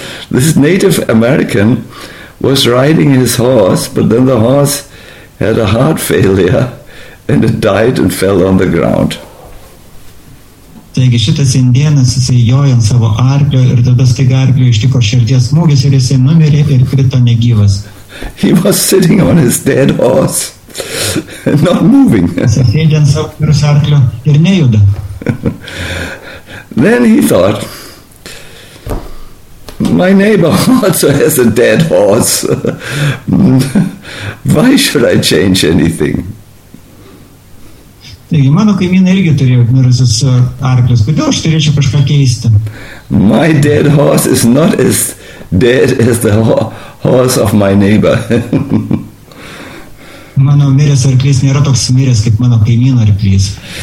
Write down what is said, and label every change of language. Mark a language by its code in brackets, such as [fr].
[en] This Native American was riding his horse, but then the horse had a heart failure and it died and fell on the ground. [lt] Taigi šitas indėnas susijojo ant savo arklio ir tada staiga arklio ištiko širdies smūgis ir jisai numirė ir krito negyvas. [en] He was sitting on his dead horse and not moving. [lt] Sėdė ant savo mirusio arklio ir nejuda. [en] Then he thought, my neighbor also has a dead horse. Why should I change anything? [lt] Taigi, mano kaimynai irgi turėjo mirusius arklius. Kodėl aš turėčiau kažką keisti? [en] My dead horse is not as dead as the horse of my neighbor. [lt] Mano miręs arklys nėra toks miręs, kaip mano kaimyno arklys.